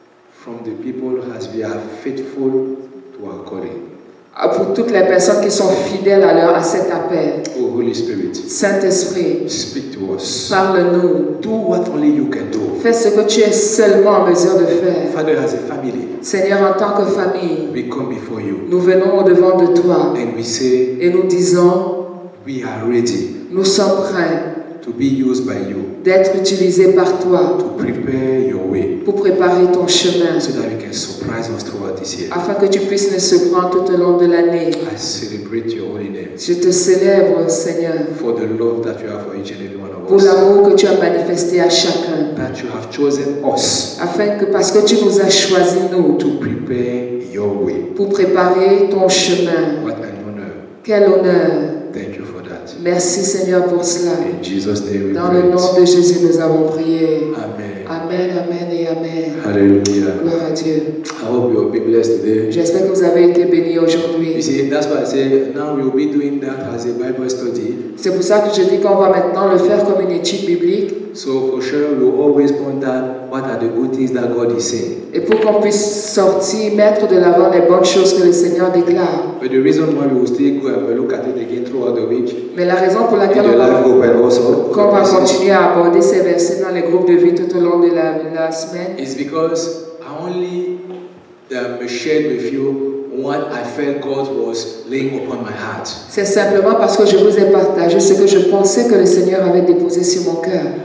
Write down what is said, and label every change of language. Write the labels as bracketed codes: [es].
[en] From the people as we are faithful to our calling. [fr] Pour toutes les personnes qui sont fidèles à cet appel. [en] Oh, Holy Spirit, [fr] Saint-Esprit, [en] speak to us. [fr] Parle-nous. [en] Do what only you can do. [fr] Fais ce que tu es seulement en mesure de faire. [en] Father, as a family, [fr] Seigneur, en tant que famille, [en] we come before you. [fr] Nous venons au-devant de toi. [en] And we say, [fr] et nous disons, [en] we are ready. [fr] Nous sommes prêts [en] to be used by you. [fr] D'être utilisés par toi. [en] To prepare your way. [fr] Pour préparer ton chemin. [en] So that you can surprise us throughout. [fr] Afin que tu puisses nous surprendre tout au long de l'année. [en] I celebrate your holy name. [fr] Je te célèbre, Seigneur. [en] For the love that you have for each and every one of us. [fr] Pour l'amour que tu as manifesté à chacun. [en] That you have chosen us. [fr] Afin que parce que tu nous as choisi nous. [en] To prepare your way. [fr] Pour préparer ton chemin. [en] What an honor. [fr] Quel honneur. [en] Thank you for that. [fr] Merci, Seigneur, pour cela. [en] In Jesus' name we pray. [fr] Dans le nom de Jésus, nous avons prié. [en] Amen. [fr] Amen, amen et amen. Alléluia. Gloire à Dieu. [en] I hope you will be blessed today. [fr] J'espère que vous avez été bénis aujourd'hui. [en] You see, that's why I say now we will be doing that as a Bible study. [fr] C'est pour ça que je dis qu'on va maintenant le faire comme une étude biblique. [en] So for sure, we will always ponder what are the good things that God is saying. [fr] Et pour qu'on puisse sortir, mettre de l'avant les bonnes choses que le Seigneur déclare. [en] But the reason why we will still go and look at it again throughout the week. [fr] Mais la raison pour laquelle on va continuer à aborder ces versets dans les groupes de vie tout au long de la semaine. [en] Is because I only shared with you what I felt God was laying upon my heart. [fr] C'est simplement parce que je vous ai partagé ce que je pensais que le Seigneur avait déposé sur mon cœur.